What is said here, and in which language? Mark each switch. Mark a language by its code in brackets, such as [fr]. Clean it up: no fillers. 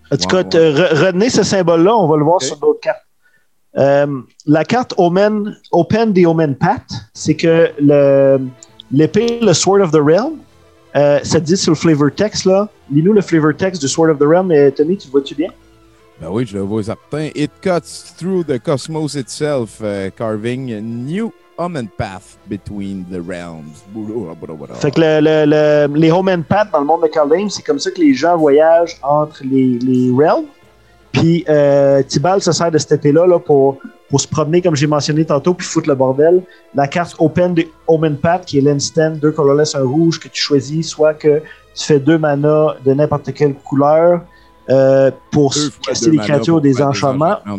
[fr] En tout cas, retenez ce symbole-là, on va le voir sur d'autres cartes. La carte Open the Omen Path, c'est que l'épée, le Sword of the Realm, ça te dit sur le flavor text, là. Lis-nous le flavor text du Sword of the Realm, Tony, tu le vois-tu bien? Ben oui, je le vois certain. [en] It cuts through the cosmos itself, carving a new Omen Path between the realms. [fr] Fait que les Omen Path dans le monde de Kaldheim, c'est comme ça que les gens voyagent entre les realms. Puis Tibalt se sert de cette épée-là là, pour se promener, comme j'ai mentionné tantôt, puis foutre le bordel. La carte Open de Omen Path, qui est l'instant, deux colorless, un rouge que tu choisis, soit que tu fais deux mana de n'importe quelle couleur pour casser les créatures ou des enchantements.